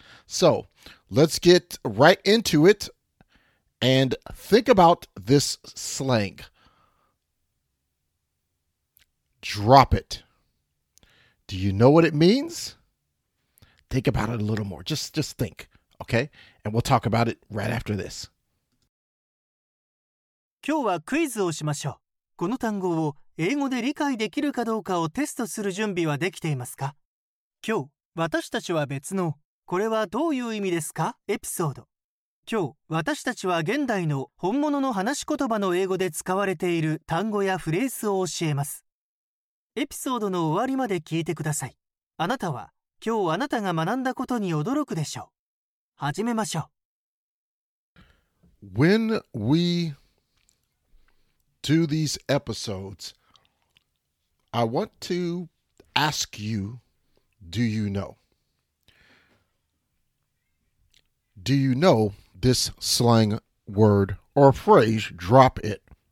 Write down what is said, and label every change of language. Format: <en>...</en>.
<en>So let's get right into it and think about this slang. Drop it. Do you know what it means? Think about it a little more. Just think, okay? And we'll talk about it right after this.</en> <ja>今日はクイズをしましょう。この単語を英語で理解できるかどうかをテストする準備はできていますか？今日、私たちは別の、これはどういう意味ですか？エピソード。今日、私たちは現代の本物の話し言葉の英語で使われている単語やフレーズを教えます。エピソードの終わりまで聞いてください。あなたは、今日あなたが学んだことに驚くでしょう。始めましょう。</ja> <en>When we do these episodes, I want to ask you, do you know? Do you know this slang word or phrase, drop it?</en>